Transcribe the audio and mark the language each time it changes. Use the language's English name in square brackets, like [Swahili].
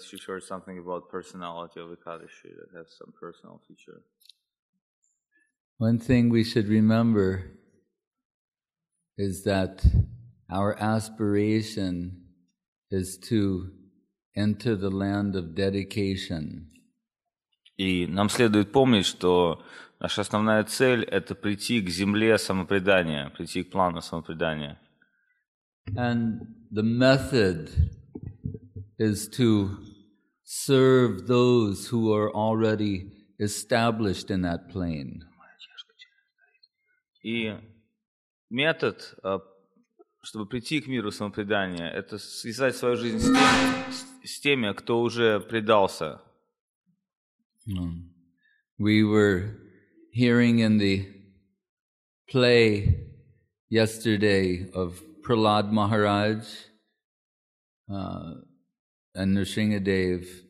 [English] She heard something about personality of Ekadashi that has some personal feature. One thing we should remember is that our aspiration is to enter the land of dedication. [Russian] И нам следует помнить, что наша основная цель – это прийти к земле самопредания, прийти к плану самопредания. [English] And the method is to serve those who are already established in that plane. [Russian] И метод, чтобы прийти к миру самопредания, это связать свою жизнь с теми, кто уже предался. [English] We were hearing in the play yesterday of Prahlad Maharaj and Nrsingadev,